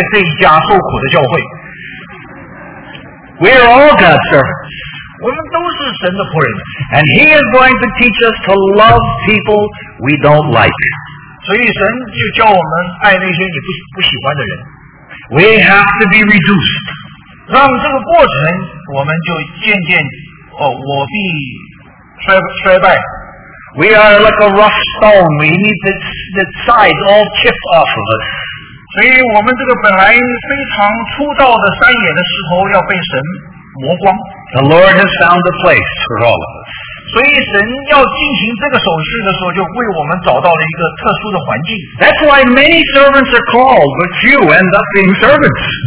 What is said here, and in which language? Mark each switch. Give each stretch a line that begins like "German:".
Chinese: 如果你真的爱主的话，你就会忍耐的待在这一家受苦的教会。
English: We are all God's servants.
Chinese: 我们都是神的仆人。
English: And He is going to teach us to love people we don't like.
Chinese: 所以神就教我们爱那些你不喜欢的人。
English: We have to be reduced.
Chinese: 让这个过程，我们就渐渐，我必衰败。
English: We are like a rough stone. We need the sides all chipped off of us.
Chinese: 所以我们这个本来非常粗糙的山野的石头要被神磨光。
English: The Lord has found a place for all of us.
Chinese: 所以神要进行这个手续的时候，就为我们找到了一个特殊的环境。
English: That's why many servants are called, but few end up being servants.